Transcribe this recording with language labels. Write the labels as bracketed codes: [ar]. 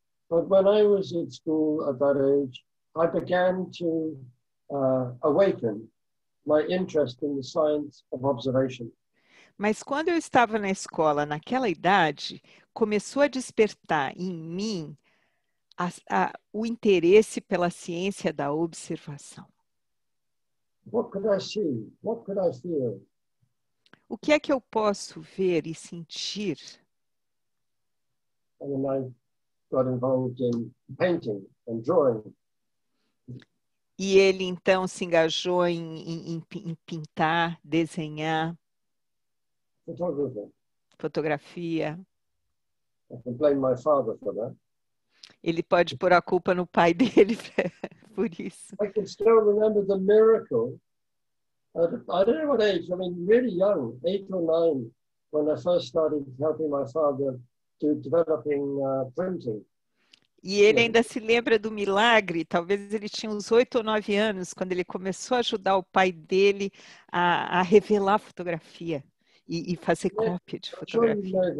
[en] But when I was in school at that age, I began to awaken my interest in the science of observation. [pt] Mas quando eu estava na escola, naquela idade, começou a despertar em mim o interesse pela ciência da observação. [en] What could I see? What could I feel? [pt] O que é que eu posso ver e sentir? [en] And then I got involved in painting and drawing. [pt] E ele então se engajou em pintar, desenhar. Fotografia. [en] I can blame my father for that. [pt] Ele pode pôr a culpa no pai dele por isso. [en] I can still remember the miracle. I don't know what age, I mean, really young, 8 or 9, when I first started helping my father to developing printing. [pt] E ele ainda se lembra do milagre, talvez ele tinha uns 8 ou 9 anos, quando ele começou a ajudar o pai dele a revelar fotografia. E fazer cópia de fotografia.